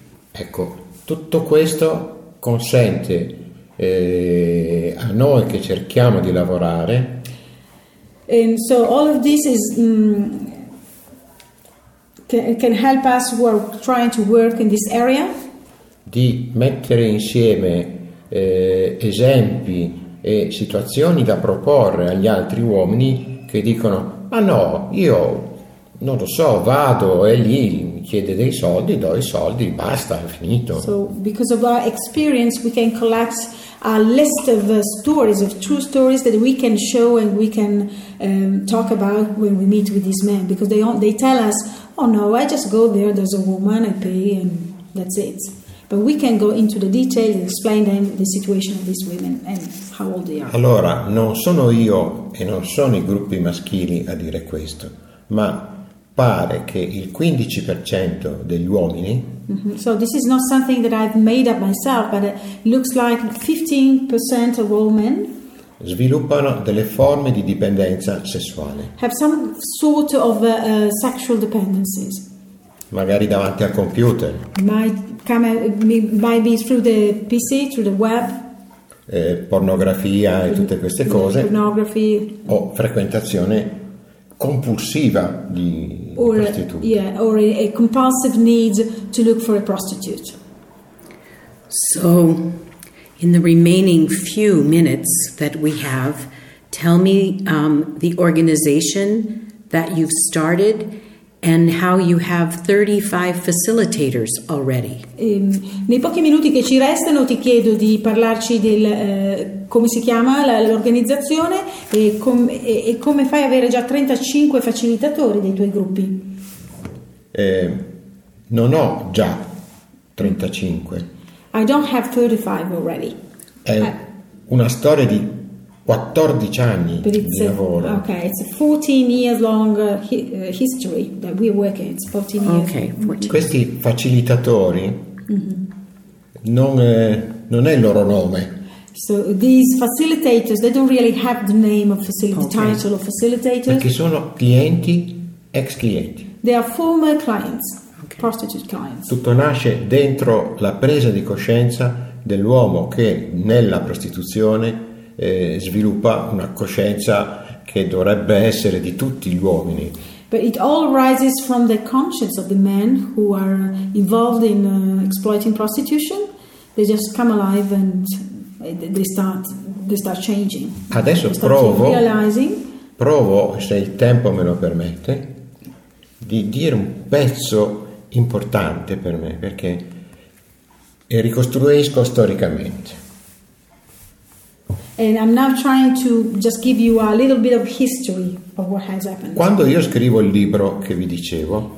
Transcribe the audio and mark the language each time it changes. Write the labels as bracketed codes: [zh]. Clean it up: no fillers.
[it] Ecco, tutto questo consente a noi che cerchiamo di lavorare, [en] and so all of this is can help us who are trying to work in this area, [it] di mettere insieme esempi e situazioni da proporre agli altri uomini che dicono: ma no, io non lo so, vado e lì mi chiede dei soldi, do i soldi, basta, è finito. [en] So because of our experience we can collect a list of stories, of true stories that we can show and we can talk about when we meet with these men, because they tell us, oh no, I just go there, there's a woman, I pay and that's it. But we can go into the details and explain them the situation of these women and how old they are. [it] Allora, non sono io e non sono i gruppi maschili a dire questo, ma pare che il 15% degli uomini, [en] So this is not something that I've made up myself, but it looks like 15% of all men [it] sviluppano delle forme di dipendenza sessuale. [en] Have some sort of sexual dependencies. [it] Magari davanti al computer. [en] Might be through the PC, through the web. [it] Pornografia e tutte queste cose. [en] Pornography. [it] O frequentazione compulsiva di prostitute. [en] Yeah, or a compulsive need to look for a prostitute. So, in the remaining few minutes that we have, tell me the organization that you've started and how you have 35 facilitators already. [it] Nei pochi minuti che ci restano ti chiedo di parlarci del come si chiama l'organizzazione e come fai ad avere già 35 facilitatori dei tuoi gruppi. Non ho già 35. [en] I don't have 35 already. [it] È una storia di 14 anni di lavoro. [en] Okay, it's a 14 years long history that we are working. It's 14 years. Okay, 14. [it] Questi facilitatori non è il loro nome. [en] So these facilitators, they don't really have the name of facilitator, title of facilitator. [it] Perché sono clienti, ex clienti. [en] They are former clients, okay. Prostitute clients. [it] Tutto nasce dentro la presa di coscienza dell'uomo che nella prostituzione sviluppa una coscienza che dovrebbe essere di tutti gli uomini. [en] But it all arises from the conscience of the men who are involved in exploiting prostitution. They just come alive and they start changing. [it] Adesso [en] start [it] provo, se il tempo me lo permette, di dire un pezzo importante per me, perché ricostruisco storicamente. [en] And I'm now trying to just give you a little bit of history of what has happened. [it] Quando io scrivo il libro che vi dicevo,